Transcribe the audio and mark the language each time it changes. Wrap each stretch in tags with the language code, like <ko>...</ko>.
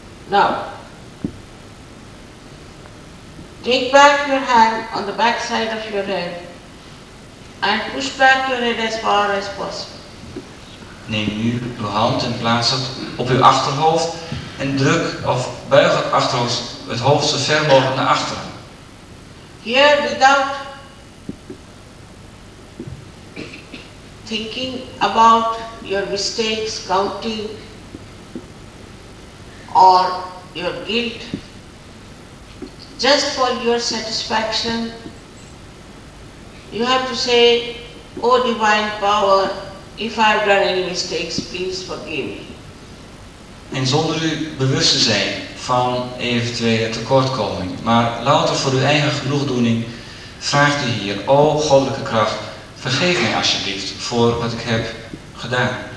<en>Now, take back your hand on the back side of your head and push back your head as far as possible.</en> <nl>Neem nu uw hand en plaats het op uw achterhoofd en druk of buig het achterhoofd het hoofd zo ver mogelijk naar achteren.</nl> <en>Here without thinking about your mistakes, counting or your guilt, just for your satisfaction, you have to say, O divine power, if I have done any mistakes, please forgive me.</en> <nl>En zonder u bewust te zijn van eventuele tekortkoming, maar louter voor uw eigen genoegdoening, vraagt u hier, O goddelijke kracht, vergeef mij alsjeblieft voor wat ik heb gedaan.</nl>